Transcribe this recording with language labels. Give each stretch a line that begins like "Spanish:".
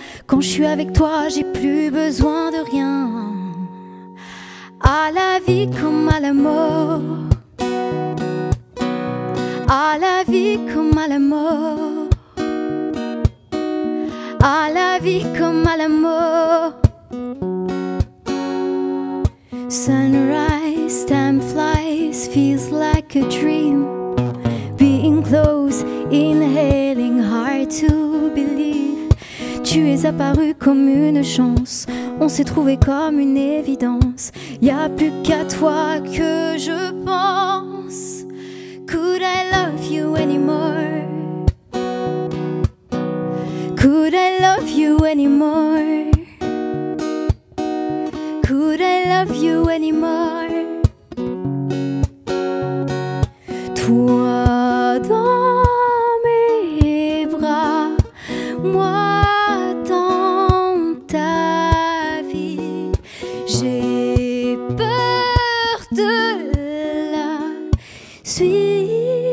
French: Quand je suis avec toi, j'ai plus besoin de rien. À la vie comme à la mort, à la vie comme à la mort, à la vie comme à la mort.
English: Sunrise, time flies, feels like a dream. Being close, inhaling, hard to believe.
French: Tu es apparu comme une chance, on s'est trouvé comme une évidence. Y'a plus qu'à toi que je pense.
English: Could I love you anymore? Could I love you anymore? Could I love you anymore?
French: Toi dans mes bras, moi dans ta vie. J'ai peur de la suite.